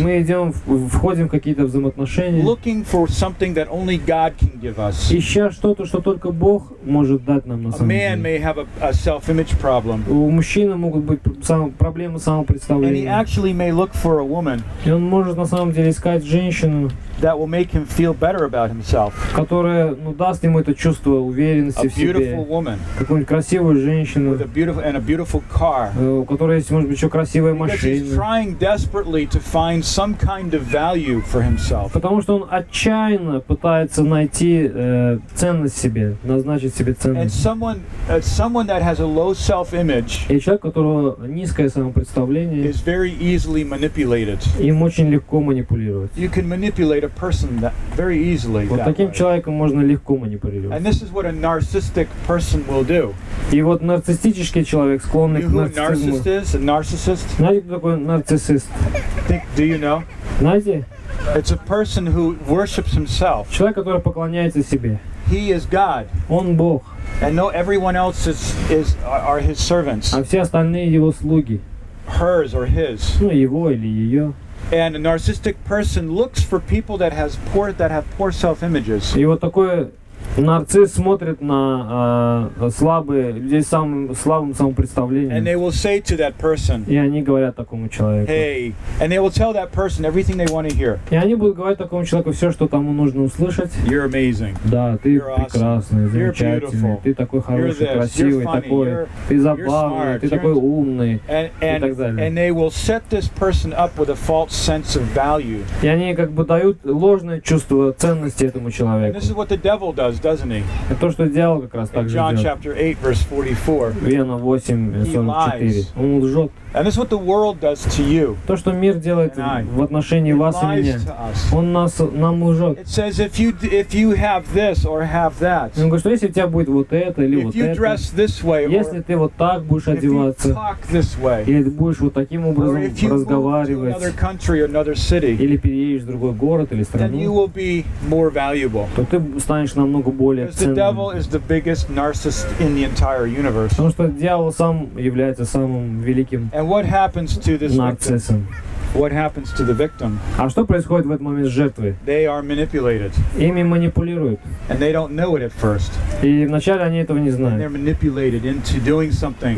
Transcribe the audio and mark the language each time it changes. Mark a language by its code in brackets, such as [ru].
[ru] Мы идем, входим в какие-то взаимоотношения. [en] Looking for something that only God can give us. [ru] Ища что-то, что только Бог может дать нам на самом деле. [en] A man may have a self-image problem. [ru] У мужчины могут быть проблемы самопредставления. [en] And he actually may look for a woman. [ru] И он может на самом деле искать женщину. [en] That will make him feel better about himself. [ru] Которая, ну, даст ему это чувство уверенности в себе. [en] A beautiful woman. [ru] Какую-нибудь красивую женщину. [en] With a beautiful and a beautiful car. [ru] У которой есть, может быть, еще красивая машина. [en] He's trying desperately to find some kind of value for himself. [ru] Потому что он отчаянно пытается найти ценность себе, назначить себе ценность. [en] And someone that has a low self-image. [ru] И человек, у которого низкое самопредставление. [en] Is very easily manipulated. [ru] Им очень легко манипулировать. [en] You can manipulate a person that very easily. [ru] Вот таким человеком можно легко манипулировать. [en] And this is what a narcissistic person will do. [ru] И вот нарциссический человек склонный к нарциссизму. [en] Narcissist? [ru] Знаете, кто такой нарциссист? [en] Think, do you know? [ru] Знаете? [en] It's a person who worships himself. [ru] Человек, который поклоняется себе. [en] He is God. [ru] Он Бог. [en] And no, everyone else are his servants. [ru] А все остальные его слуги. [en] Hers or his. [ru] Ну, его или ее. [en] And a narcissistic person looks for people that has poor that have poor self-images. [ru] И вот такой нарцисс смотрит на слабые людей с слабым самопредставлением. [en] And they will say to that person. [ru] И они говорят такому человеку. [en] Hey. And they will tell that person everything they want to hear. [ru] И они будут говорить такому человеку все, что тому нужно услышать. [en] You're amazing. [ru] Да, ты прекрасный, замечательный, ты такой хороший, красивый, такой, ты забавный, ты такой умный и так далее. [en] And they will set this person up with a false sense of value. [ru] И они как бы дают ложное чувство ценности этому человеку. [en] This is what the devil does. Doesn't he? [ru] Это то, что дьявол как раз так же делает. [en] John chapter 8 verse 44. [ru] Иоанна 8:44. Он лжет. [en] And this is what the world does to you. [ru] То, что мир делает в отношении вас и меня. Он нам лжет. [en] It says if you have this or have that. [ru] Он говорит, что если у тебя будет вот это или вот это. [en] If you dress this way. [ru] Если ты вот так будешь одеваться. [en] If you talk this way. [ru] Или ты будешь вот таким образом разговаривать. [en] Another country, another city. [ru] Или переедешь в другой город или страну. [en] Then you will be more valuable. [ru] То ты станешь намного более ценным. [en] The devil is the biggest narcissist in the entire universe. [ru] Потому что дьявол сам является самым великим. [en] And what happens to this narcissism? What happens to the victim? [ru] А что происходит в этот момент с жертвой? [en] They are manipulated. [ru] Ими манипулируют. [en] And they don't know it at first. [ru] И вначале они этого не знают. [en] And they're manipulated into doing something.